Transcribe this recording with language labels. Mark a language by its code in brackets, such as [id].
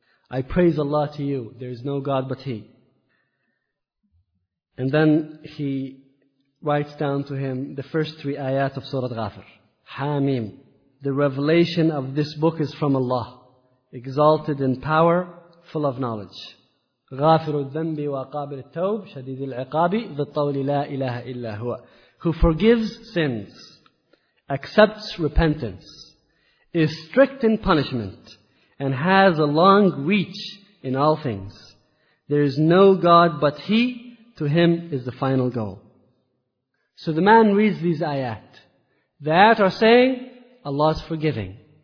[en] I praise Allah to you, there is no God but He. And then he writes down to him the first three ayat of Surah Ghafir. Hamim, the revelation of this book is from Allah, exalted in power, full of knowledge. [ar] غافر الذنب وقابل التوب شديد العقاب بالطول لا إله إلا هو. [en] Who forgives sins, accepts repentance, is strict in punishment, and has a long reach in all things. There is no God but He, to Him is the final goal. So the man reads these ayat. The ayat are saying, Allah is forgiving.